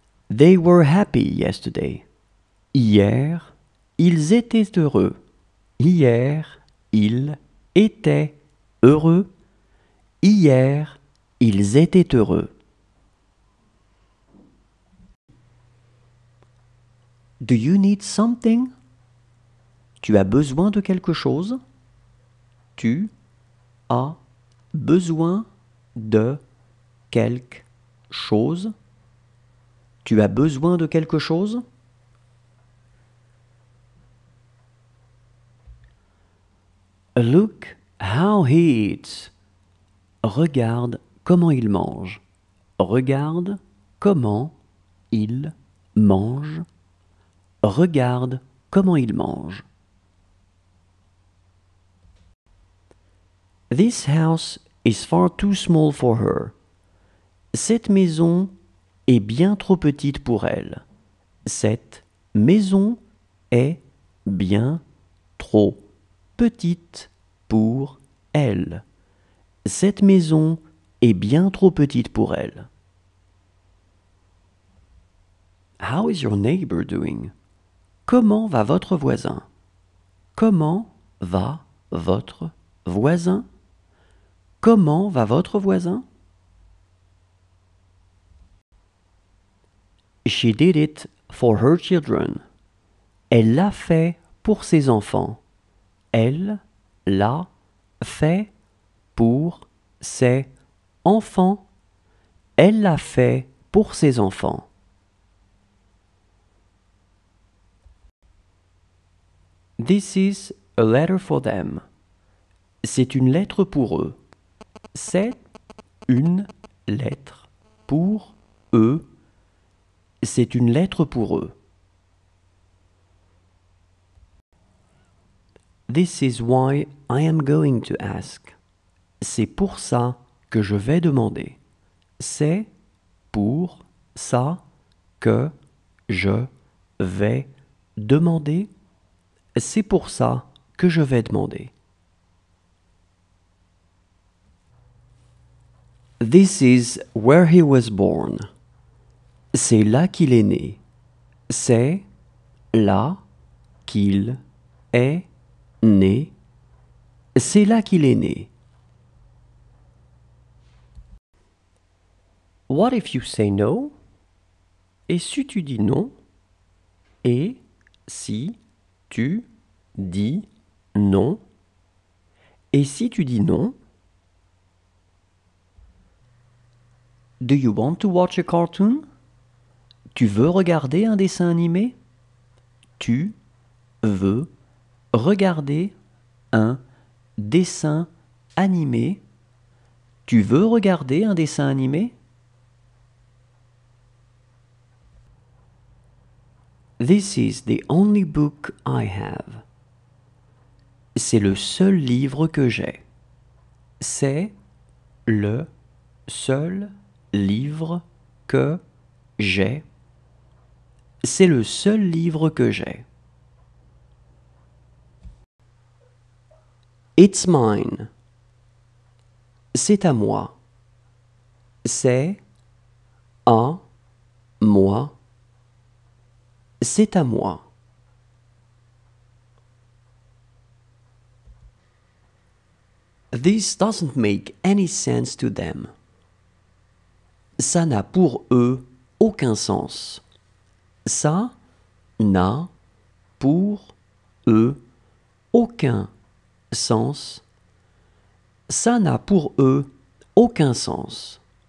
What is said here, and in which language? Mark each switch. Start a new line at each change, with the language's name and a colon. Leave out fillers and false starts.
English: They were happy yesterday.
French: Hier, ils étaient heureux. Hier, ils étaient heureux. Hier, ils étaient heureux.
English: Do you need something?
French: Tu as besoin de quelque chose? Tu as besoin de quelque chose? Tu as besoin de quelque chose?
English: Look how he eats.
French: Regarde comment il mange. Regarde comment il mange. Regarde comment il mange.
English: This house is far too small for her.
French: Cette maison est bien trop petite pour elle. Cette maison est bien trop petite pour elle. Cette maison est bien trop petite pour elle.
English: How is your neighbor doing?
French: Comment va votre voisin? Comment va votre voisin? Comment va votre voisin?
English: She did it for her children.
French: Elle l'a fait pour ses enfants. Elle l'a fait pour ses enfants. Elle l'a fait pour ses enfants.
English: This is a letter for them.
French: C'est une lettre pour eux. C'est une lettre pour eux. C'est une lettre pour eux.
English: This is why I am going to ask.
French: C'est pour ça que je vais demander. C'est pour ça que je vais demander. C'est pour ça que je vais demander.
English: This is where he was born.
French: C'est là qu'il est né. C'est là qu'il est né. C'est là qu'il est né.
English: What if you say no?
French: Et si tu dis non? Et si tu dis non? Et si tu dis non?
English: Do you want to watch a cartoon?
French: Tu veux regarder un dessin animé? Tu veux regarder un dessin animé? Tu veux regarder un dessin animé?
English: This is the only book I have.
French: C'est le seul livre que j'ai. C'est le seul livre que j'ai. C'est le seul livre que j'ai.
English: It's mine.
French: C'est à moi. C'est à moi. C'est à moi.
English: This doesn't make any sense to them.
French: Ça n'a pour eux aucun sens. Ça n'a pour eux aucun sens. Ça n'a pour eux aucun sens.